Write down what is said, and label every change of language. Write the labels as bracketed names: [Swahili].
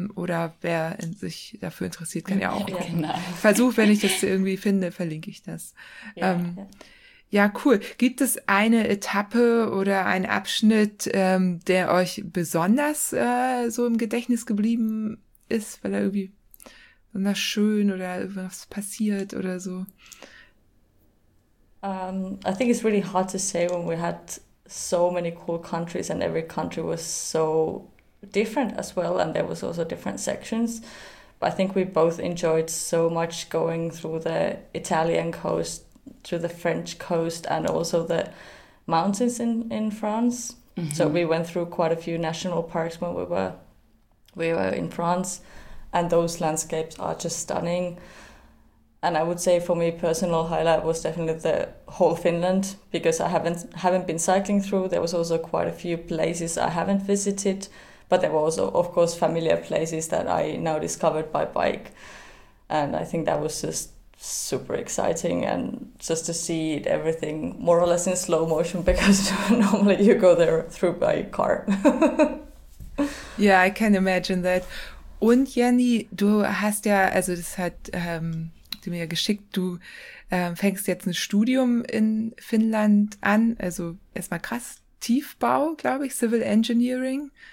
[German] Oder wer sich dafür interessiert, kann ja auch gucken. Genau. Versuch, wenn ich das irgendwie finde, verlinke ich das. Cool. Gibt es eine Etappe oder einen Abschnitt, der euch besonders so im Gedächtnis geblieben ist, weil er irgendwie besonders schön oder irgendwas passiert oder so? [English] I think it's really hard to say when we had so many cool countries and every country was so different as well, and there was also different sections. But I think we both enjoyed so much going through the Italian coast, through the French coast, and also the mountains in France. Mm-hmm. So we went through quite a few national parks when we were in France, and those landscapes are just stunning. And I would say for me, personal highlight was definitely the whole Finland, because I haven't been cycling through. There was also quite a few places I haven't visited, but there were also, of course, familiar places that I now discovered by bike. And I think that was just super exciting. And just to see it, everything more or less in slow motion, because normally you go there through by car. Yeah, I can imagine that. [German] Und Jenny, du hast ja, also das hat... mir geschickt, du fängst jetzt ein Studium in Finnland an, also erstmal krass, Tiefbau, glaube ich, Civil Engineering.